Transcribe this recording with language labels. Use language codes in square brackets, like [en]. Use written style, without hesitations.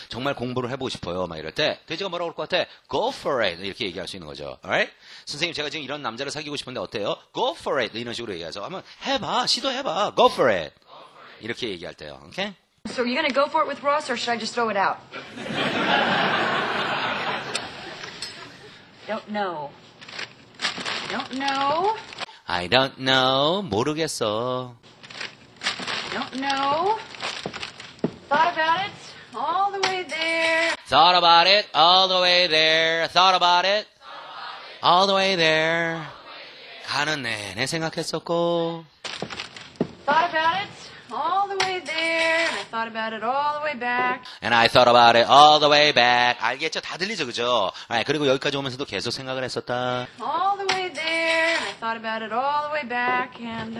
[ko] 정말 공부를 해보고 싶어요. 막 이럴 때 돼지가 뭐라고 할 것 같아? [en] Go for it! [ko] 이렇게 얘기할 수 있는 거죠. [en] Alright? [ko] 선생님 제가 지금 이런 남자를 사귀고 싶은데 어때요? [en] Go for it! [ko] 이런 식으로 얘기해서 한번 해봐. 시도해봐. [en] Go for it! [ko] 이렇게 얘기할 때요. Okay? [en] So are you gonna go for it with Ross or should I just throw it out? I don't know. [ko] 모르겠어. [en] Don't know. Thought about it all the way there. Thought about it all the way there. Thought about it all the way there. [ko] 가는 내내 생각했었고. [en] Thought about it all the way back. [ko] 알겠죠? 다 들리죠, 그죠? 아, 그리고 여기까지 오면서도 계속 생각을 했었다. [en] All the way there. I thought about it all the way back and.